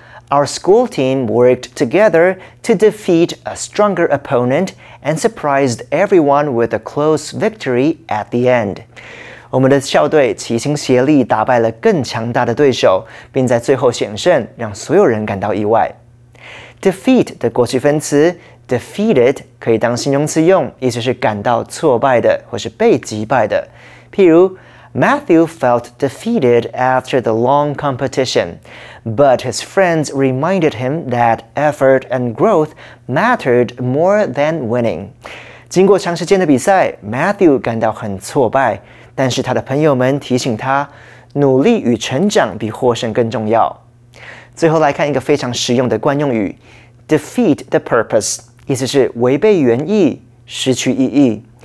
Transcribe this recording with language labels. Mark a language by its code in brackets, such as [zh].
[en] Our school team worked together to defeat a stronger opponent and surprised everyone with a close victory at the end. [zh] 我们的校队齐心协力打败了更强大的对手，并在最后险胜，让所有人感到意外。 Defeat 的过去分词 defeated 可以当形容词用，意思是感到挫败的或是被击败的。譬如 [en] Matthew felt defeated after the long competition, but his friends reminded him that effort and growth mattered more than winning. [zh] 经过长时间的比赛 ,Matthew 感到很挫败,但是他的朋友们提醒他,努力与成长比获胜更重要。最后来看一个非常实用的惯用语 ,defeat the purpose, 意思是违背原意,失去意义。